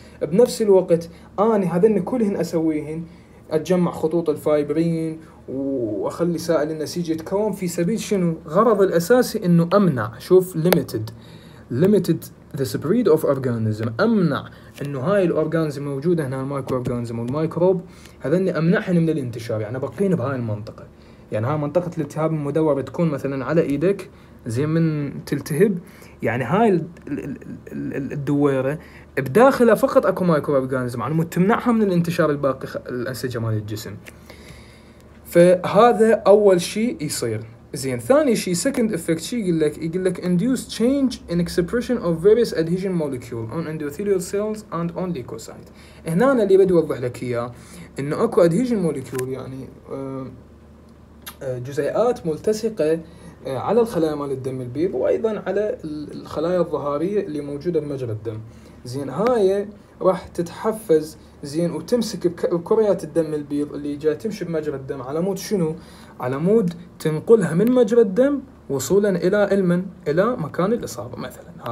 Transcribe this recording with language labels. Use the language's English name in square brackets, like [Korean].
[Arabic] بنفس الوقت اني هذن كلهن اسويهن، اتجمع خطوط الفايبرين واخلي سائل النسيج يتكون في سبيل شنو؟ غرض الاساسي انه امنع، شوف ليميتد [English] the spread of organism، [Arabic] امنع انه هاي الاورجانزم موجوده هنا، المايكرو اورجانزم والمايكروب هذني امنعهن من الانتشار، يعني بقين بهاي المنطقه، يعني هاي منطقه الالتهاب المدور تكون مثلا على ايدك زين من تلتهب يعني هاي الدويرة بداخلها فقط اكو مايكرو اورجانزم يعني متمنعها من الانتشار الباقي الانسجة مال الجسم. فهذا اول شيء يصير. زين ثاني شيء [English] second effect [Arabic] شيء يقول لك [English] induce change in expression of various adhesion molecule on endothelial cells and on leukocyte. [Arabic] هنا اللي بدي اوضح لك اياه انه اكو adhesion molecule يعني جزيئات ملتصقه على الخلايا مال الدم البيض وايضا على الخلايا الظهريه اللي موجوده بمجرى الدم. زين هاي راح تتحفز زين وتمسك كريات الدم البيض اللي جاي تمشي بمجرى الدم على مود شنو؟ على مود تنقلها من مجرى الدم وصولا الى المن الى مكان الاصابه مثلا.